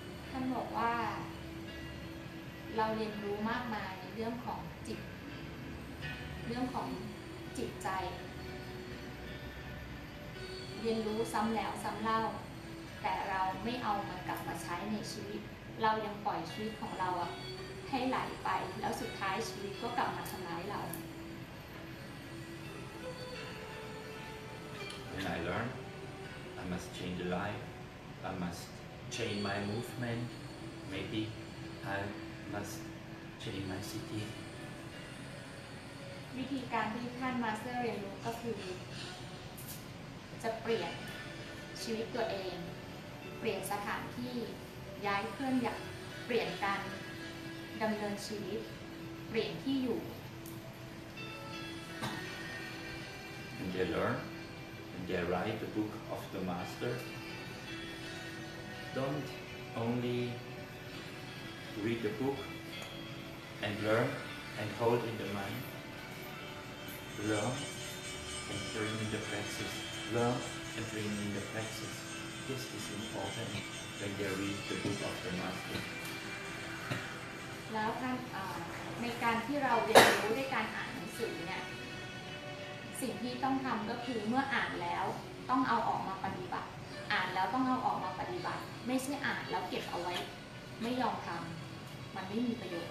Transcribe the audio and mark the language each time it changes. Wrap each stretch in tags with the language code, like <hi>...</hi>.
<th>ท่านบอกว่าเราเรียนรู้มากมายในเรื่องของจิตเรื่องของจิตใจเรียนรู้ซ้ำแล้วซ้ำเล่าแต่เราไม่เอามันกลับมาใช้ในชีวิตเรายังปล่อยชีวิตของเราให้ไหลไปแล้วสุดท้ายชีวิตก็กลับมาทำร้ายเรา</th> <en>When I learn I must change the life I must change my movement maybe I must change my city</en> <th>วิธีการที่ท่านมาสเตอร์เรียนรู้ก็คือจะเปลี่ยนชีวิตตัวเองเปลี่ยนสถานที่ย้ายเคลื่อนอย่างเปลี่ยนการดำเนินชีวิตเปลี่ยนที่อยู่</th> <en>And they learn and they write the book of the master Don't only read the book and learn and hold in the mind Learn and bring in the practiceLove and bring in the practice. This is important when they read the book of the master.</en> <th>แล้วท่านในการที่เราเรียนรู้ด้วยการอ่านหนังสือเนี่ยสิ่งที่ต้องทำก็คือเมื่ออ่านแล้วต้องเอาออกมาปฏิบัติอ่านแล้วต้องเอาออกมาปฏิบัติไม่ใช่อ่านแล้วเก็บเอาไว้ไม่ยอมทำมันไม่มีประโยชน</th>